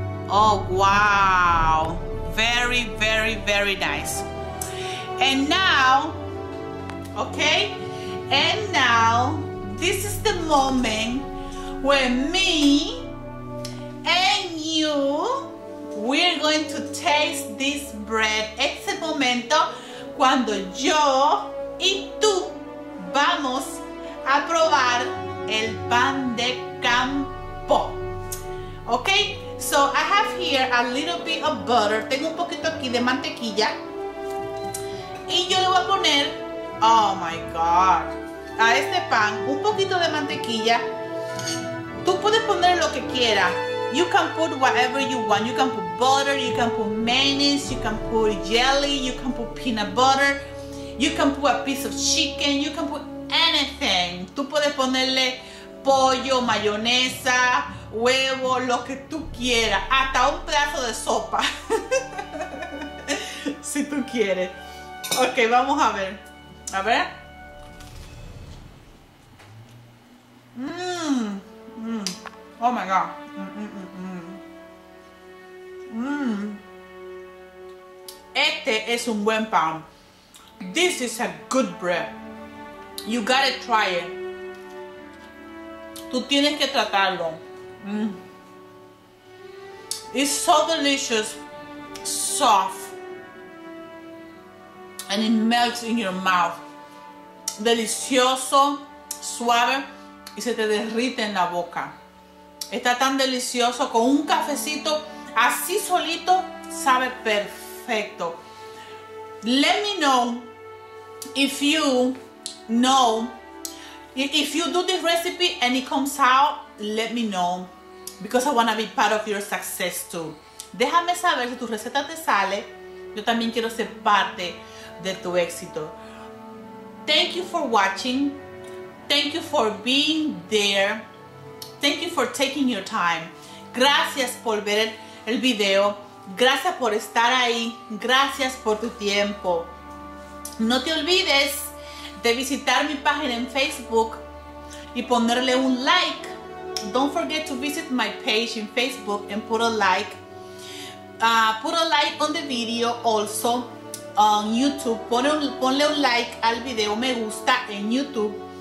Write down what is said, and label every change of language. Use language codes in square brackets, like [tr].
[en] Oh, wow. Very, very, very nice. And now, okay? And now, this is the moment where me and you, we're going to taste this bread. [es] Es el momento cuando yo y tú vamos a probar el pan de campo. [en] Okay, so I have here a little bit of butter. [es] Tengo un poquito aquí de mantequilla. Y yo le voy a poner, [en] oh my God, [es] a este pan un poquito de mantequilla. Tú puedes poner lo que quieras. [en] You can put whatever you want. You can put butter, you can put mayonnaise, you can put jelly, you can put peanut butter, you can put a piece of chicken, you can put anything. [es] Tú puedes ponerle pollo, mayonesa, huevo, lo que tú quieras, hasta un pedazo de sopa. Si tú quieres. Ok, vamos a ver. A ver. [en] Oh my God. [es] Este es un buen pan. [en] This is a good bread. You gotta try it. [es] Tú tienes que tratarlo. [en] It's so delicious, soft, and it melts in your mouth. [es] Delicioso, suave, y se te derrite en la boca. Está tan delicioso con un cafecito así solito, sabe perfecto. [en] Let me know if you know, if you do this recipe and it comes out, let me know. Because I want to be part of your success too. [es] Déjame saber si tu receta te sale. Yo también quiero ser parte de tu éxito. [en] Thank you for watching. Thank you for being there. Thank you for taking your time. [es] Gracias por ver el video. Gracias por estar ahí. Gracias por tu tiempo. No te olvides de visitar mi página en Facebook y ponerle un like. [en] Don't forget to visit my page in Facebook and put a like. Put a like on the video also on YouTube. [es] Ponle un like al video, me gusta en YouTube.